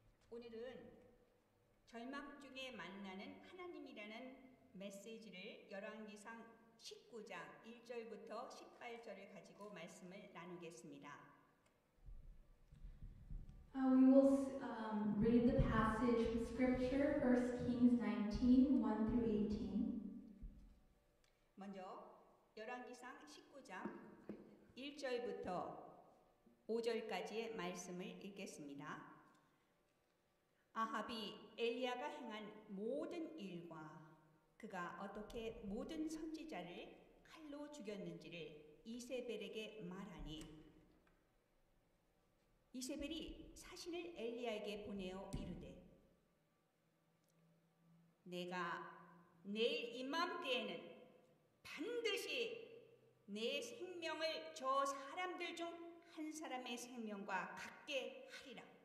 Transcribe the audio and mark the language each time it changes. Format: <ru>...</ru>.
<ko>오늘은 절망 중에 만나는 하나님이라는 메시지를 열왕기상 19장 1절부터 18절을 가지고 말씀을 나누겠습니다.</ko> <en>We will read the passage of scripture, 1 Kings 19, 1 through 18.</en> <ko>먼저 열왕기상 19장 1절부터 5절까지의 말씀을 읽겠습니다. 아합이 엘리야가 행한 모든 일과 그가 어떻게 모든 선지자를 칼로 죽였는지를 이세벨에게 말하니 이세벨이 사신을 엘리야에게 보내어 이르되 내가 내일 이맘때에는 반드시 내 생명을 저 사람들 중 한 사람의 생명과 같게 하리라.</ko>